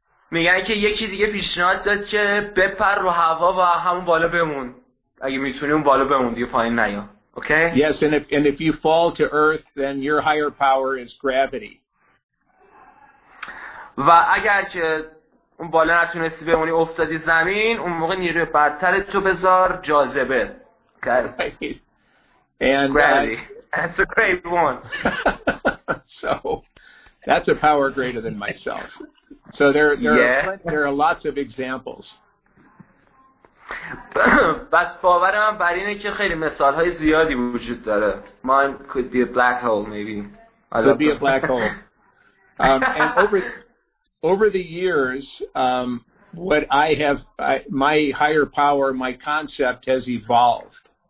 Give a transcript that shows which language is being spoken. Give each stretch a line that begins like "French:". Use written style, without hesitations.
Persian: میگن که یکی دیگه پیشنهاد داد که بپر رو هوا و همون بالا بمون. اگه میتونی اون بالا بمون دیگه پایین نیا.
English: Okay? Yes, and if you fall to earth, then your higher power is gravity.
Persian: و اگر که اون بالا نتونستی بمونی افتادی زمین، اون موقع نیروی برتر تو بذار جاذبه.
English: And that's a great one. So that's a power greater than myself. So there are lots of examples.
Persian: بس باورم بر اینه که خیلی مثال‌های زیادی وجود داره.
English: Mine could be a black hole maybe. Could be a black hole. And over the years, what I have, my higher power, my concept has evolved.